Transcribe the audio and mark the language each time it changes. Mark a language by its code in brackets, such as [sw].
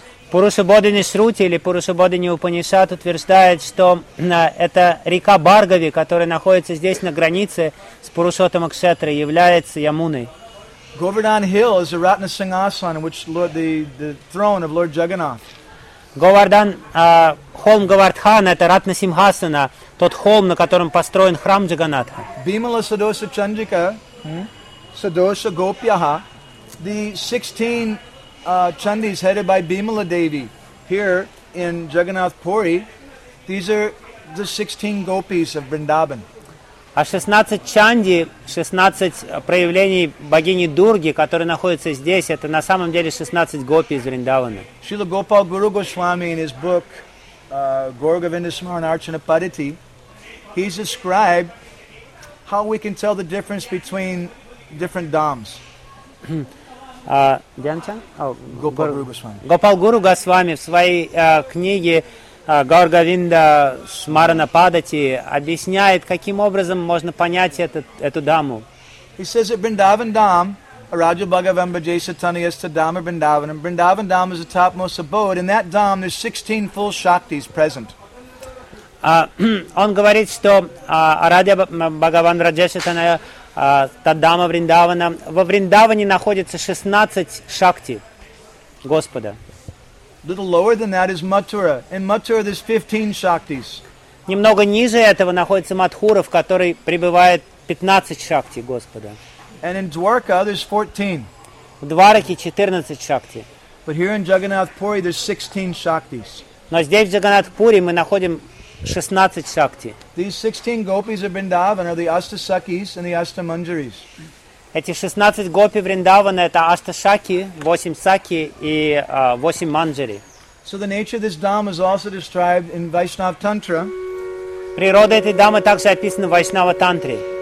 [ru] Purusha Bodhini Shruti или Purusha Bodhini Upanishad утверждает, что эта река Бхаргави, которая находится здесь на границе с Пурушоттам Кшетра, является Ямуной. [en] Govardhan Hill is a Ratna Singhasana, which Lord, the throne of Lord Jagannath. [ru] Говардан, холм Говардхана, это Ратна Симхасана, тот холм, на котором построен храм Джаганнатха. [sa] Бимала Садоса Чандрика, Садоса Гопьяха, [en] the 16 Чандис, headed by Бимала Деви, here in Jagannath Puri, these are the 16 Gopis of Vrindavan. [ru] А 16 Чанди, 16 проявлений богини Дурги, которые находятся здесь, это на самом деле 16 гопи из Вриндавана. [en] Шрила Гопал Гуру Госвами in his book Gorga Vindasmarana Archana Padati, he described how we can tell the difference between different dhams. Дьянчан? [ru] Гопал Гуру Госвами. Гопал Гуру Госвами в своей книге Гаургавинда Смарана Падати объясняет, каким образом можно понять эту даму. [en] He says that Vrindavan Dham, [sa] Araja Bhagavan Bhajay Satani Yasta Dhamma Vrindavanam. [en] Vrindavan Dham is the topmost abode. In that Dham, there's 16 full Shaktis present. [ru] Он говорит, что [sa] Арадья Бхагаван Раджасатана Таддама Вриндавана, [ru] во Вриндаване находится 16 шакти Господа. [en] Little lower than that is Mathura. In Mathura there's 15 shaktis. [ru] Немного ниже этого находится Матхура, в которой пребывает 15 шакти Господа. [en] And in Dwarka there's 14. [ru] В Двараке 14 шакти. [en] But here in Jagannath Puri there's 16 shaktis. [ru] Но здесь в Джаганнат Пури мы находим 16 шакти. [en] These 16 gopis of Vrindavan are the Ashtasakis and the Ashtamanjaris. [ru] Эти 16 гопи Вриндавана это Ашташаки, 8 саки и 8 манджари. [en] So the nature of this dham is also described in Vaishnav Tantra. [ru] Природа этой дамы также описана в Вайшнава Тантре.